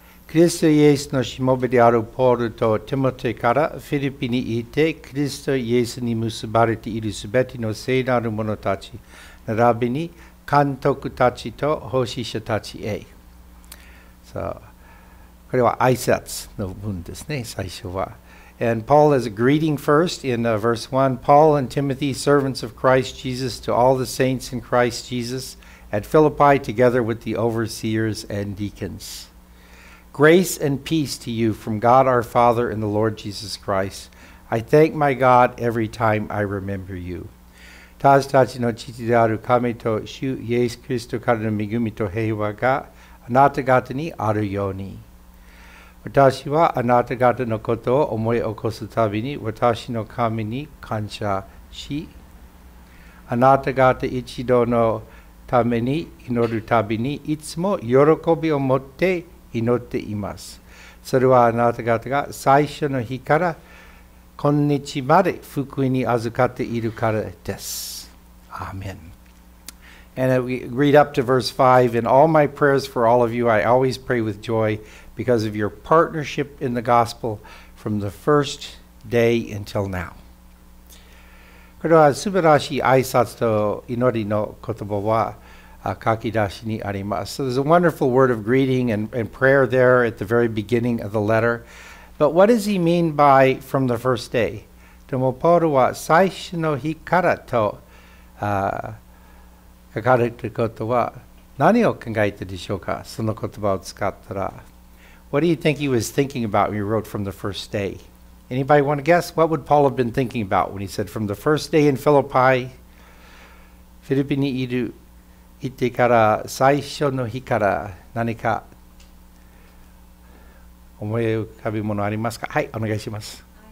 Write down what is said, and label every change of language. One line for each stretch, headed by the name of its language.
Japanese: キリストイエスのしもべであるポールとテモテからフィリピにいて、キリストイエスに結ばれているすべての聖なる者たち、並びに監督たちと奉仕者たちへ。 So, これは挨拶の文ですね、最初は。
English: And Paul has a greeting first in verse 1. Paul and Timothy, servants of Christ Jesus, to all the saints in Christ Jesus at Philippi, together with the overseers and deacons. Grace and peace to you from God our Father and the Lord Jesus Christ. I thank my God every time I remember you.
Japanese: 私たちの父である神と主イエス・キリストからの恵みと平和があなた方にあるように。私はあなた方のことを思い起こすたびに私の神に感謝し、あなた方一同のために祈るたびにいつも喜びを持って祈っています。それはあなた方が最初の日から今日まで福音に預かっているからです。アーメン。
English: And we read up to verse 5. In all my prayers for all of you, I always pray with joy because of your partnership in the gospel from the first day until now.
Japanese: これは素晴らしい挨拶と祈りの言葉は書き出しにあります。
English: So there's a wonderful word of greeting and prayer there at the very beginning of the letter. But what does he mean by from the first day?
Japanese: でもポールは最初の日からと書かれていることは何を考えてでしょうか？その言葉を使ったら。
English: What do you think he was thinking about when he wrote from the first day? Anybody want to guess? What would Paul have been thinking about when he said from the first day in Philippi?
Japanese: フィリピにいる行ってから最初の日から何か思い浮かぶものありますか？はい、お願いします。